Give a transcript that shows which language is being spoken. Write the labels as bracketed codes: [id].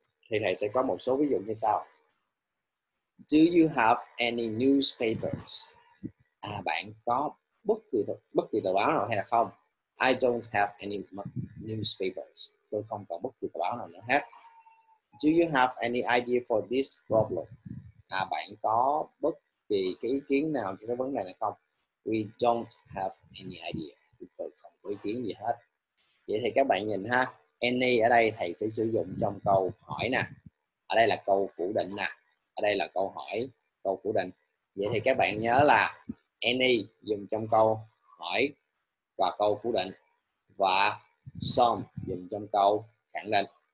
[vi] Thì này sẽ có một số ví dụ như sau. [en] Do you have any newspapers? [vi] À, bạn có bất kỳ tờ báo nào hay là không? [en] I don't have any newspapers. [vi] Tôi không có bất kỳ tờ báo nào nữa hết. [en] Do you have any idea for this problem? [vi] À, bạn có bất kỳ cái ý kiến nào cho cái vấn đề này không? [en] We don't have any idea. [vi] Tôi không có ý kiến gì hết. Vậy thì các bạn nhìn ha. Any ở đây thầy sẽ sử dụng trong câu hỏi nè. Ở đây là câu phủ định nè. Ở đây là câu hỏi, câu phủ định. Vậy thì các bạn nhớ là any dùng trong câu hỏi và câu phủ định và some dùng trong câu khẳng định.